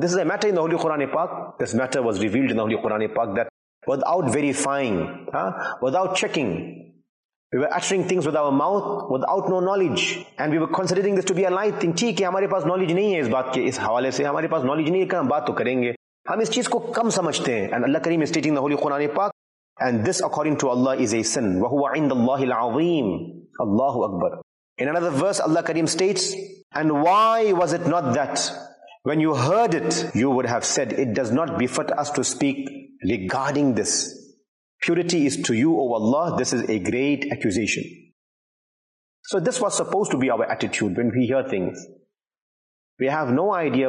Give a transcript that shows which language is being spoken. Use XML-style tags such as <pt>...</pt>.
<en>This is a matter in the Holy Quran Pak. This matter was revealed in the Holy Quran Pak, that without verifying, without checking, We were uttering things with our mouth without no knowledge. And we were considering this to be a light thing.</en> <hi>ठीक है, हमारे पास knowledge नहीं है इस बात के, इस हवाले से हमारे पास knowledge नहीं है, हम बात तो करेंगे. हम इस चीज को कम समझते हैं.</hi> <en>And Allah Kareem is stating the Holy Quran Pak. And this according to Allah is a sin.</en> <ar>وَهُوَ عِنْدَ اللَّهِ الْعَظِيمِ Allahu Akbar.</ar> <en>In another verse, Allah Kareem states, And why was it not that when you heard it, you would have said, it does not befit us to speak regarding this. Purity is to you, O Allah. This is a great accusation. So this was supposed to be our attitude when we hear things. We have no idea.</en>